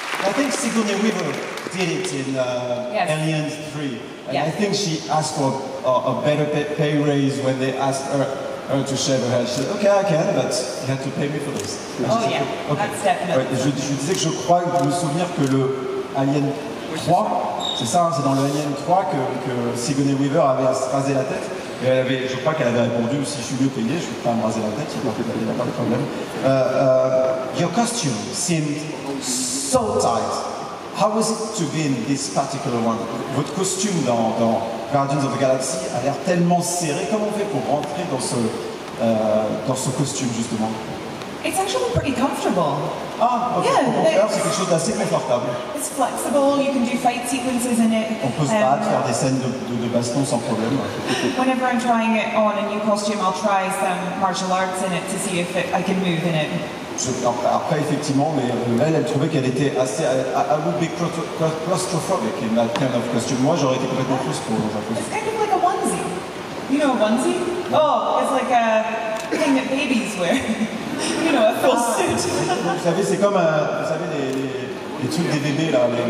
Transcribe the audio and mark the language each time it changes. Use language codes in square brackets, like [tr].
[en] I think Sigourney Weaver did it in Aliens 3. And yes. I think she asked for a better pay raise when they asked her to shave her head. She said, okay, I can, but you have to pay me for this. That's definitely. [fr] Je disais que je crois, je me souviens que le Alien 3, c'est ça, hein, c'est dans le Alien 3 que Sigourney Weaver avait à se raser la tête. Et elle avait, je crois qu'elle avait répondu, si je suis mieux payé, je ne vais pas me raser la tête, il n'y a pas de problème. [en] Your costume seemed so tight. How was it to be in this particular one? [fr] Votre costume dans Guardians of the Galaxy a l'air tellement serré. Comment on fait pour rentrer dans ce costume, justement? [en] It's actually pretty comfortable. Ah, ok. Yeah, [fr] c'est quelque chose d'assez confortable. [en] It's flexible, you can do fight sequences in it. [fr] On peut se battre, faire des scènes de baston sans problème. [en] Whenever I'm trying it on a new costume, I'll try some martial arts in it to see if I can move in it. [fr] Après, effectivement, mais elle trouvait qu'elle était assez... [en] I would be claustrophobic in that kind of costume. [fr] Moi, j'aurais été complètement plus pour dans un costume. [en] It's kind of like a onesie. You know a onesie? Oh, it's like a thing that babies wear. You know, a full suit. [fr] Vous savez, c'est comme, vous savez, les trucs des bébés, là.